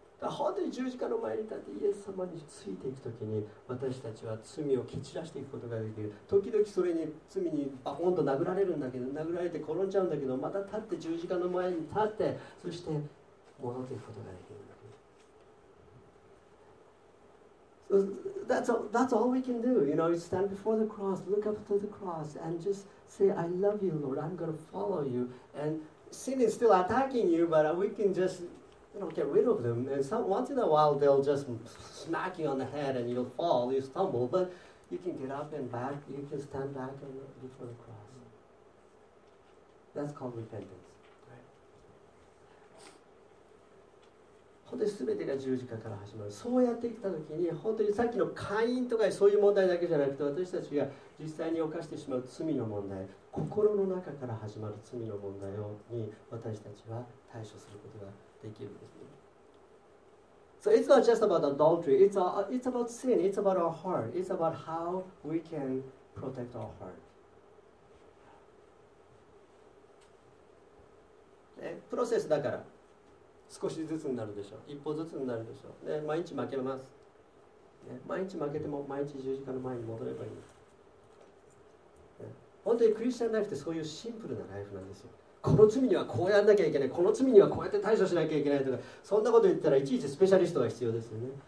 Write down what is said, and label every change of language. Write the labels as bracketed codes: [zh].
[ja] 本当に十字架の前に立ってイエス様についていくときに私たちは罪を蹴散らしていくことができる。時々それに罪にバコンと殴られるんだけど、殴られて転んじゃうんだけど、また立って十字架の前に立って、そして戻っていくことができるんだけど、 [en] that's all we can do. You know, you stand before the cross, look up to the cross and just say, I love you Lord, I'm going to follow you. And sin is still attacking you, but we can justYou know, get rid of them. And some, once in a while, they'll just smack you on the head and you'll fall, you stumble. But you can get up and back, you can stand back and before the cross. That's called repentance. Right. [ja] 本当に全てが十字架から始まる。そうやってきたときに、本当にさっきの会員とかそういう問題だけじゃなくて、私たちが実際に犯してしまう罪の問題、心の中から始まる罪の問題に私たちは対処することができるんですね。 [en] So it's not just about adultery. It's about sin. It's about our heart. It's about how we can protect our heart. [ja] ね、プロセスだから少しずつになるでしょう。一歩ずつになるでしょう。ね、毎日負けます、ね。毎日負けても毎日十字架の前に戻ればいい。本当にクリスチャンライフってそういうシンプルなライフなんですよ。この罪にはこうやんなきゃいけない、この罪にはこうやって対処しなきゃいけないとか、そんなこと言ったらいちいちスペシャリストが必要ですよね。